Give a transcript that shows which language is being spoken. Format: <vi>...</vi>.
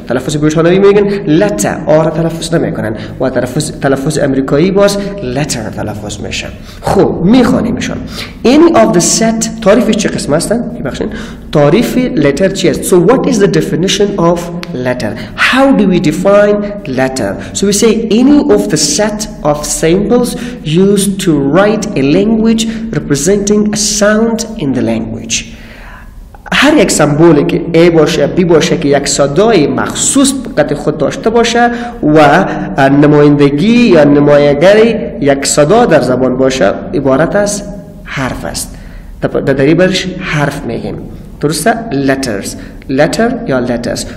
<fa>تلفظ بریتانیایی میگن لتر، آر تلفظ نمیکنن، و تلفظ امریکایی باز لتر تلفظ میشن. خب میخوانیم ایشون.</fa> <en>Any of the set</en> <fa>تعریفش چه قسم هستن؟ ببخشید، تعریفی لتر چی است؟</fa> <en>So what is the definition of letter? How do we define letter? So we say any of the set of symbols used to write a language representing a sound in the language.</en> <fa>هر یک سمبولی که A باشه B باشه که یک صدای مخصوص قطع خود داشته باشه و نمایندگی یا نمایگر یک صدا در زبان باشه، عبارت از حرف است. در دری برش حرف میگیم. درسته؟ letters، letter یا letters.</fa>